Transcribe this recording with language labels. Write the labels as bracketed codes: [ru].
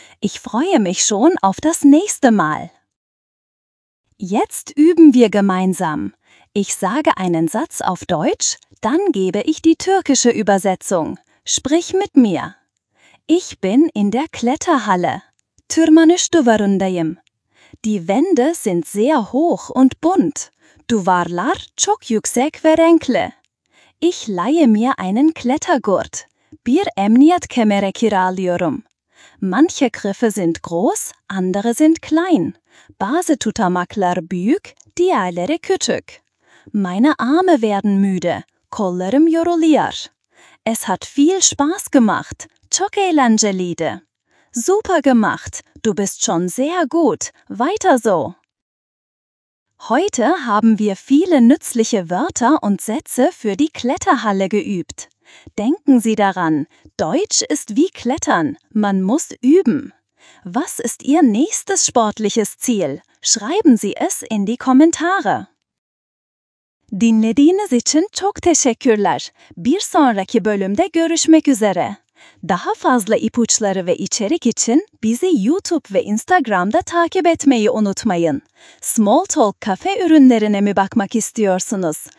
[de] Ich freue mich schon auf das nächste Mal. Jetzt üben wir gemeinsam. Ich sage einen Satz auf Deutsch, dann gebe ich die türkische Übersetzung. Sprich mit mir. Ich bin in der Kletterhalle. [tr] Tırmanış duvarındayım. [de] Die Wände sind sehr hoch und bunt. [tr] Duvarlar çok yüksek ve renkli. [de] Ich leihe mir einen Klettergurt. [tr] Bir emniyet kemeri kiralıyorum. [de] Manche Griffe sind groß, andere sind klein. [tr] Bazı tutamaklar büyük, diğerleri küçük. [de] Meine Arme werden müde. [tr] Kollarım yoruluyor. [de] Es hat viel Spaß gemacht. [tr] Çok eğlenceliydi. [de] Super gemacht. Du bist schon sehr gut. Weiter so. Heute haben wir viele nützliche Wörter und Sätze für die Kletterhalle geübt. Denken Sie daran, Deutsch ist wie Klettern. Man muss üben. Was ist Ihr nächstes sportliches Ziel? Schreiben Sie es in die Kommentare. [tr] Dinlediğiniz için çok teşekkürler. Bir sonraki bölümde görüşmek üzere. Daha fazla ipuçları ve içerik için bizi YouTube ve Instagram'da takip etmeyi unutmayın. Small Talk Cafe ürünlerine mi bakmak istiyorsunuz?